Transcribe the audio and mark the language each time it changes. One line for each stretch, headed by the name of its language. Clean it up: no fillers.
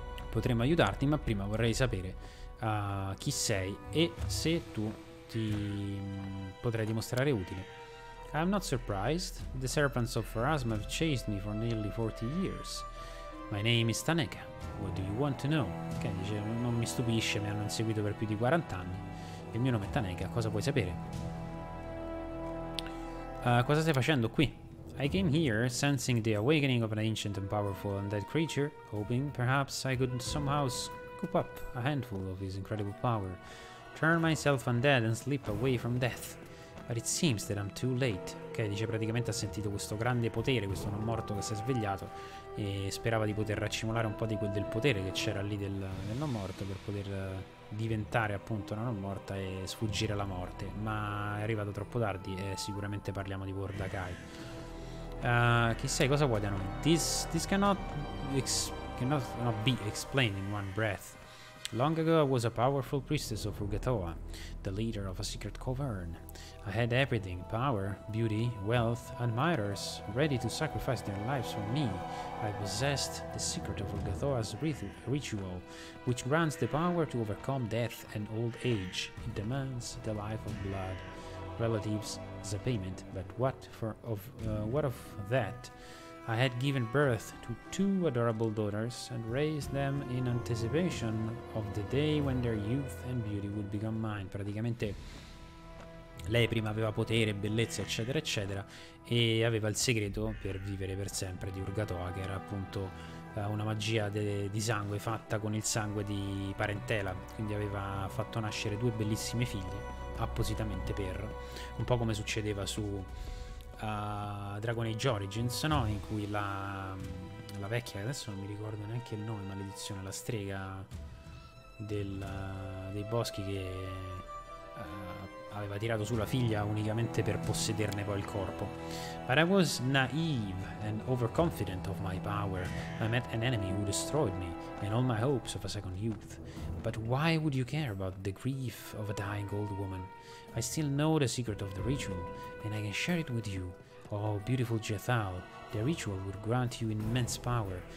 Italian: Potremmo aiutarti, ma prima vorrei sapere chi sei e se tu ti potrei dimostrare utile.
English: I'm not surprised. The servants of Pharasma have chased me for nearly 40 years. My name is Taneka. What do you want to know?
Italian: Ok, dice, non mi stupisce, mi hanno inseguito per più di 40 anni. Il mio nome è Taneka, cosa vuoi sapere? Cosa stai facendo qui?
English: I came here, sensing the awakening of an ancient and powerful undead creature, hoping perhaps I could somehow scoop up a handful of his incredible power, turn myself undead and slip away from death. But it seems that I'm too late.
Italian: Ok, dice, praticamente ha sentito questo grande potere, questo non morto che si è svegliato, e sperava di poter raccimolare un po' di quel del potere che c'era lì del non morto per poter diventare appunto una non morta e sfuggire alla morte. Ma è arrivato troppo tardi e sicuramente parliamo di Wardakai. Chi sei? Cosa vuoi da noi?
English: This cannot be explained in one breath. Long ago I was a powerful priestess of Urgathoa, the leader of a secret cavern. I had everything, power, beauty, wealth, admirers, ready to sacrifice their lives for me. I possessed the secret of Urgathoa's ritual, which grants the power to overcome death and old age. It demands the life of blood. Relatives as a payment, but what of that? I had given birth to two adorable daughters and raised them in anticipation of the day when their youth and beauty would become mine.
Italian: Praticamente lei prima aveva potere, bellezza, eccetera, eccetera, e aveva il segreto per vivere per sempre di Urgathoa, che era appunto una magia di sangue fatta con il sangue di parentela. Quindi aveva fatto nascere due bellissime figlie appositamente per, un po' come succedeva su Dragon Age Origins, no? In cui la vecchia, adesso non mi ricordo neanche il nome, maledizione, la strega del, dei boschi, che aveva tirato su la figlia unicamente per possederne poi il corpo.
English: But I was naive and overconfident of my power. I met an enemy who destroyed me and all my hopes of a second youth. But why would you care about the grief of a dying old woman? I still know the secret of the ritual, and I can share it with you. Oh, beautiful Jethal, the ritual would grant you immense power.